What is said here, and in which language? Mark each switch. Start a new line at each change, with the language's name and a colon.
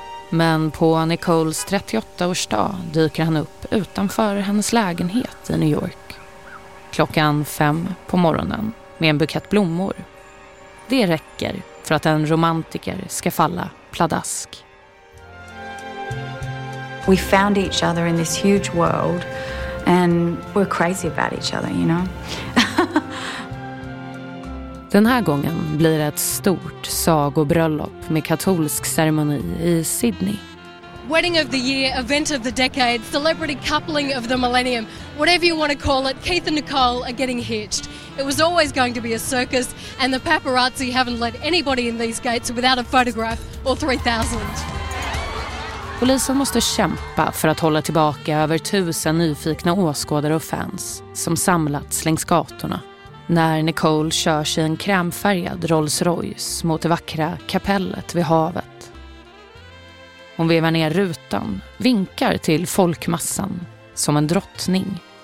Swedish: Men på Nicoles 38-årsdag dyker han upp utanför hennes lägenhet i New York. Klockan 5 på morgonen med en bukett blommor. Det räcker för att en romantiker ska falla pladask.
English: We found each other in this huge world and we're crazy about each other, you know.
Swedish: Den här gången blir det ett stort sagobröllop med katolsk ceremoni i Sydney.
English: Wedding of the year, event of the decade, celebrity coupling of the millennium, whatever you want to call it, Keith and Nicole are getting hitched. It was always going to be a circus and the paparazzi haven't let anybody in these gates without a photograph or 3,000.
Swedish: Polisen måste kämpa för att hålla tillbaka över 1,000 nyfikna åskådare och fans som samlats längs gatorna när Nicole kör sig en krämfärgad Rolls Royce mot det vackra kapellet vid havet. Hon vevar ner rutan, vinkar till folkmassan som en drottning.